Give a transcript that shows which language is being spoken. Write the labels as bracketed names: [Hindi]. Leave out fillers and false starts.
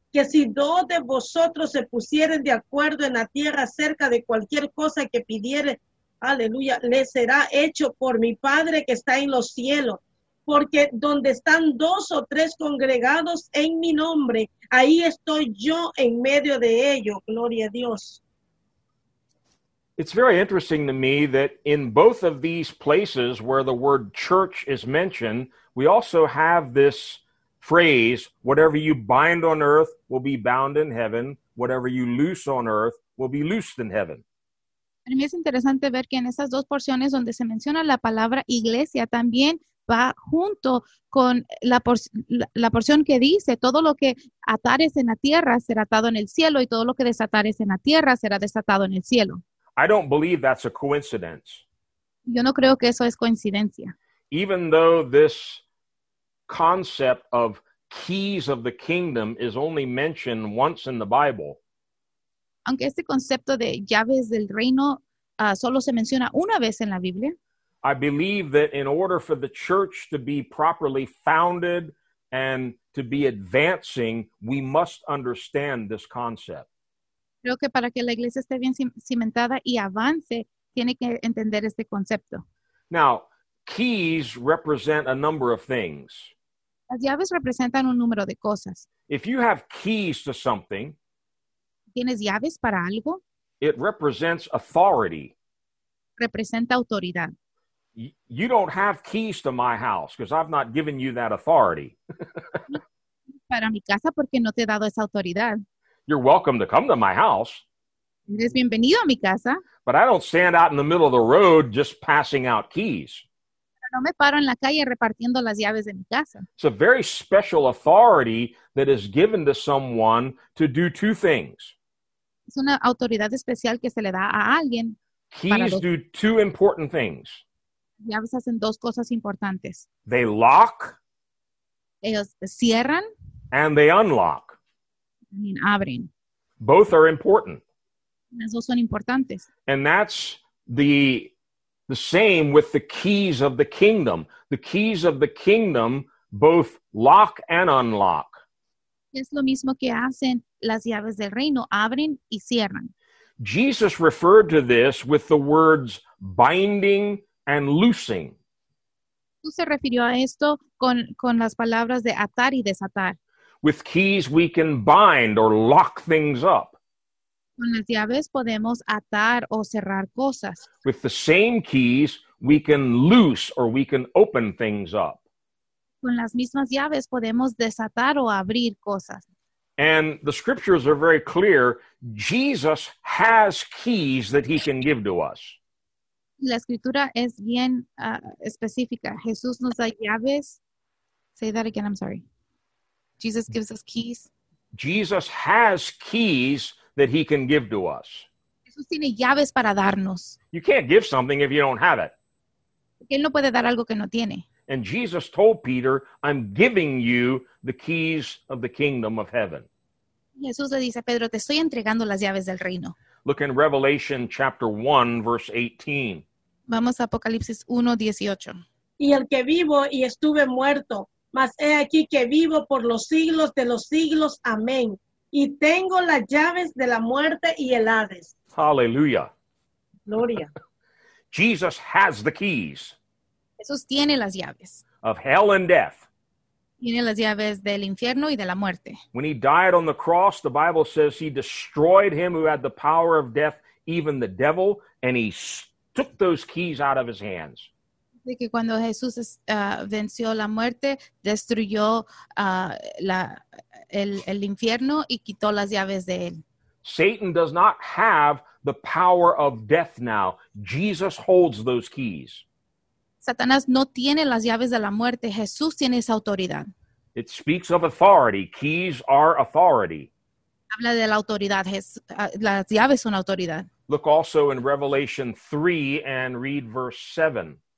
[Spanish] que si dos de vosotros se pusieren de acuerdo en la tierra acerca de cualquier cosa que pidiere, aleluya, le será hecho por mi Padre que está en los cielos. Porque donde están dos o tres congregados en mi nombre, ahí estoy yo en medio de ellos. Gloria a Dios. [English] It's very interesting to me that in both of these places where the word church is mentioned, we also have this phrase, whatever you bind on earth will be bound in heaven, whatever you loose on earth will be loosed in heaven. [Spanish] Para mí es interesante ver que en esas dos porciones donde se menciona la palabra iglesia también va junto con la porción que dice, todo lo que atares en la tierra será atado en el cielo y todo lo que desatares en la tierra será desatado en el cielo. [English] I don't believe that's a coincidence. [Spanish] Yo no creo que eso es coincidencia. [English] Even though this concept of keys of the kingdom is only mentioned once in the Bible. [Spanish] Aunque este concepto de llaves del reino solo se menciona una vez en la Biblia. [English] I believe that in order for the church to be properly founded and to be advancing, we must understand this concept. [Spanish] Creo que para que la iglesia esté bien cimentada y avance, tiene que entender este concepto. [English] Now, keys represent a number of things. [Spanish] Las llaves representan un número de cosas. [English] If you have keys to something, [Spanish] ¿tienes llaves para algo? [English] It represents authority. [Spanish] Representa autoridad. [English] You don't have keys to my house because I've not given you that authority. [Spanish] Para mi casa porque no te he dado esa autoridad. [English] You're welcome to come to my house. [Spanish] Eres bienvenido a mi casa. [English] But I don't stand out in the middle of the road just passing out keys. [Spanish] Pero no me paro en la calle repartiendo las llaves de mi casa. [English] It's a very special authority that is given to someone to do two things. [Spanish] Es una autoridad especial que se le da a alguien. [English] Keys do two important things. [Spanish] Llaves hacen dos cosas importantes. [English] They lock. [Spanish] Ellos cierran. [English] And they unlock. Both are important. [Spanish] Las dos son importantes. [English] And that's the same with the keys of the kingdom. The keys of the kingdom both lock and unlock. [Spanish] Es lo mismo que hacen las llaves del reino, abren y cierran. [English] Jesus referred to this with the words binding and loosing. [Spanish] Jesús se refirió a esto con las palabras de atar y desatar. [English] With keys, we can bind or lock things up. [Spanish] Con las llaves podemos atar o cerrar cosas. [English] With the same keys, we can loose or we can open things up. [Spanish] Con las mismas llaves podemos desatar o abrir cosas. [English] And the scriptures are very clear. Jesus has keys that he can give to us. [Spanish] La escritura es bien específica. Jesús nos da llaves. [English] Say that again, I'm sorry. Jesus gives us keys. Jesus has keys that he can give to us. [Spanish] Jesús tiene llaves para darnos. [English] You can't give something if you don't have it. [Spanish] Él no puede dar algo que no tiene. [English] And Jesus told Peter, I'm giving you the keys of the kingdom of heaven. [Spanish] Jesús le dice a Pedro, te estoy entregando las llaves del reino. [English] Look in Revelation chapter 1, verse 18. [Spanish] Vamos a Apocalipsis 1, 18. Y el que vivo y estuve muerto. Mas he aquí que vivo por los siglos de los siglos. Amén. Y tengo las llaves de la muerte y el Hades. Hallelujah. Gloria. [English] Jesus has the keys. [Spanish] Jesús tiene las llaves. [English] Of hell and death. [Spanish] Tiene las llaves del infierno y de la muerte. [English] When he died on the cross, the Bible says he destroyed him who had the power of death, even the devil, and he took those keys out of his hands. [Spanish] De que cuando Jesús venció la muerte, destruyó el infierno y quitó las llaves de él. [English] Satan does not have the power of death now. Jesus holds those keys. [Spanish] Satanás no tiene las llaves de la muerte. Jesús tiene esa autoridad. [English] It speaks of authority. Keys are authority. [Spanish] Habla de la autoridad. Las llaves son autoridad. [English] Look also in Revelation 3 and read verse 7.